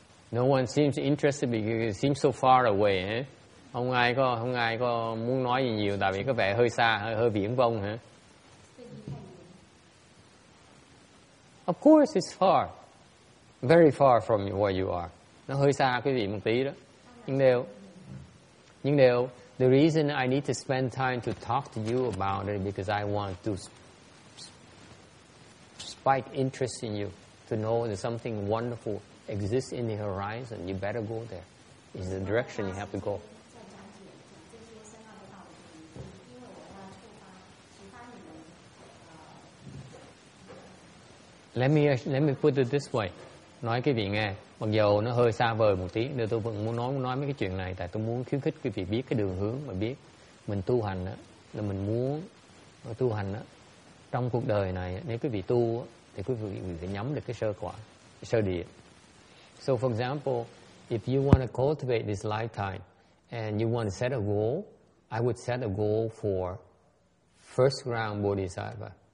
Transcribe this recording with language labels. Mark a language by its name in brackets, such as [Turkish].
[English] No one seems interested because it seems so far away. Eh? [Vietnamese] Không ai có muốn nói gì nhiều, tại vì có vẻ hơi xa, hơi viễn vông. Huh? [English] Of course it's far. Very far from where you are. [Vietnamese] Nó hơi xa quý vị một tí đó. Nhưng đều, [English] the reason I need to spend time to talk to you about it because I want to spike interest in you, to know that something wonderful exists in the horizon. You better go there. It's the direction you have to go. Let me put it this way. [Vietnamese] Nói quý vị nghe, mặc dù nó hơi xa vời một tí, nhưng tôi vẫn muốn nói mấy cái chuyện này, tại tôi muốn khuyến khích quý vị biết cái đường hướng, mà biết mình tu hành đó, là mình muốn tu hành đó. Trong cuộc đời này, nếu quý vị tu, thì quý vị phải nhắm được cái sơ quả, sơ địa. [English] So for example, if you want to cultivate this lifetime, and you want to set a goal, I would set a goal for first ground Bodhisattva.